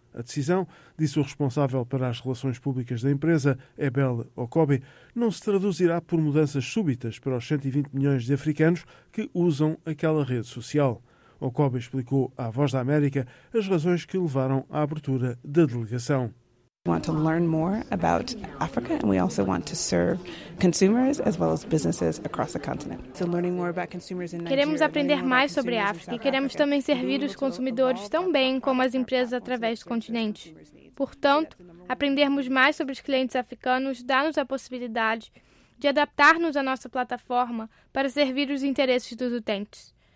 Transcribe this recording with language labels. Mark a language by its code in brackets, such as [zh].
[pt] A decisão, disse o responsável para as relações públicas da empresa, Ebel Okobe, não se traduzirá por mudanças súbitas para os 120 milhões de africanos que usam aquela rede social. Okobe explicou à Voz da América as razões que levaram à abertura da delegação. [en] Want to learn more about Africa, and we also want to serve consumers as well as businesses across the continent. So learning more about consumers in Nigeria. [pt] Queremos aprender mais sobre a África e queremos também servir os consumidores tão bem como as empresas através do continente. Portanto, aprendermos mais sobre os clientes africanos dá-nos a possibilidade de adaptar-nos à nossa plataforma para servir os interesses dos utentes.